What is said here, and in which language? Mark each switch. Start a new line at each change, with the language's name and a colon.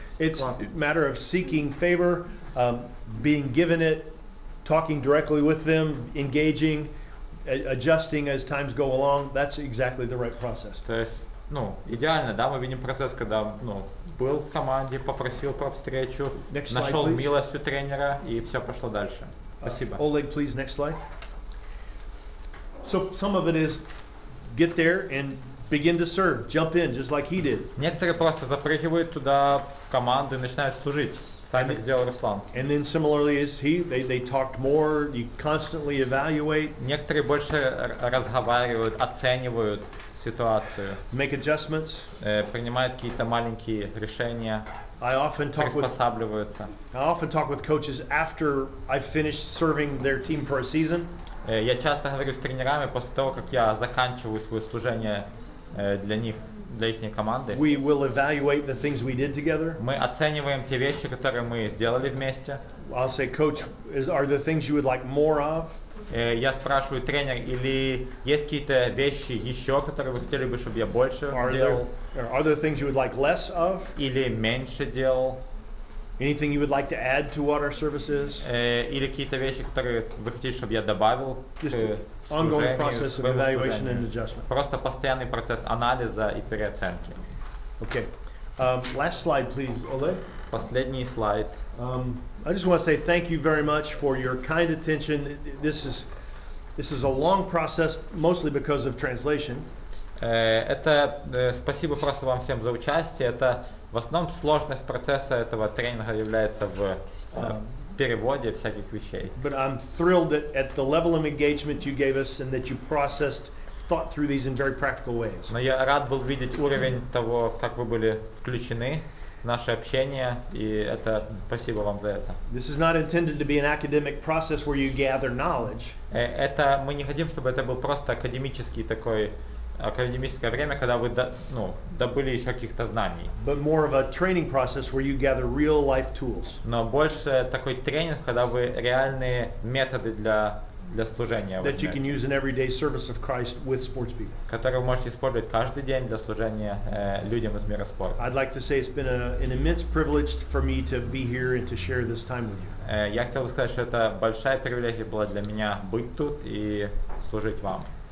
English: It's a matter of seeking favor, being given it, talking directly with them, engaging, adjusting as times go along. That's exactly the right process.
Ukrainian: То есть, ну, ідеально, да, ми видим процес, коли, ну, був в команді, попросив про встречу, знайшов милость у тренера, і все пішло далі.
English: Oleg, please, next slide. So some of it is get there and begin to serve. Jump in, just like he did.
Russian: Некоторые просто запрыгивают туда в команду и начинают служить. Так как сделал Руслан.
English: And then similarly is he, they talked more, you constantly evaluate.
Russian: Некоторые больше разговаривают, оценивают ситуацию.
English: Make adjustments.
Russian: Принимают какие-то маленькие решения.
English: I often talk with coaches after I finish serving their team for a season.
Ukrainian: Я часто говорю з тренерами після того, як я закінчую своє служіння для них, для їхньої команди.
English: We will evaluate the things we did together.
Ukrainian: Ми оцінюємо ті речі, які ми зробили вместе.
English: I'll say, coach, are there things you would like more of?
Russian: Я спрашиваю тренер, или есть какие-то вещи еще, которые вы хотели бы, чтобы я больше делал?
English: Are there things you would like less of?
Russian: Или меньше делал?
English: Anything you would like to add to what our service is?
Russian: Или какие-то вещи, которые вы хотите, чтобы я добавил?
English: Just ongoing process of evaluation and adjustment.
Russian: Просто постоянный процесс анализа и переоценки.
English: Okay. Last slide, please, Oleg.
Russian: Последний слайд.
English: I just want to say thank you very much for your kind attention. This is a long process, mostly because of translation.
Russian: Это спасибо просто вам всем за участие. Это в основном сложность процесса этого тренинга является в переводе всяких вещей.
English: But I'm thrilled that at the level of engagement you gave us and that you processed, thought through these in very practical ways.
Russian: Но я рад был видеть уровень того, как вы были включены. Наше общение, и это спасибо вам за это.
English: This is not intended to be an academic process where you gather knowledge.
Russian: Это мы не хотим, чтобы это был просто академический такой академическое время, когда вы добыли еще каких-то знаний.
English: But more of a training process where you gather real life tools.
Russian: Но больше такой тренинг, когда вы реальные методы для для служения.
English: That you can use in everyday service of Christ with sports people.
Russian: Которые вы можете использовать каждый день для служения людям из мира спорта.
English: I'd like to say it's been an immense privilege for me to be here and to share this time with you.
Russian: Я хотел бы сказать, что это большая привилегия была для меня быть тут и служить вам.